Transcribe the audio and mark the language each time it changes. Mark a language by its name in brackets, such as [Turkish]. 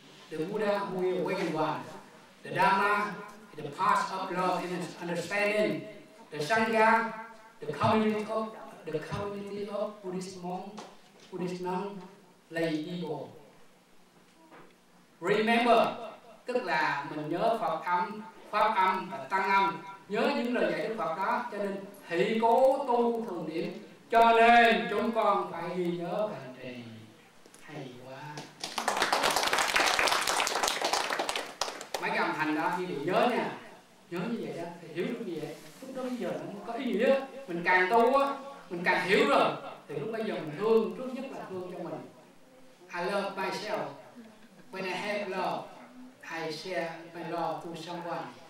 [English] The Buddha who is awakened one. The Dhamma, the path of love and understanding. The Sangha, the community of Buddhist monk, Buddhist nun, lay people. [Vietnamese] Remember, tức là mình nhớ Phật âm, pháp âm và tăng âm, nhớ những lời dạy Đức Phật đó, cho nên thị cố tu thường niệm, cho nên chúng con phải ghi nhớ hành trì. Hay quá. Mấy cái âm thanh đó khi mình nhớ nha, nhớ như vậy đó thì hiểu được như vậy, lúc đó bây giờ nó có ý nghĩa. Mình càng tu á, mình càng hiểu rồi thì lúc bây giờ mình thương, trước nhất là thương cho mình. [English] I love myself. When I have love, I share my love to someone.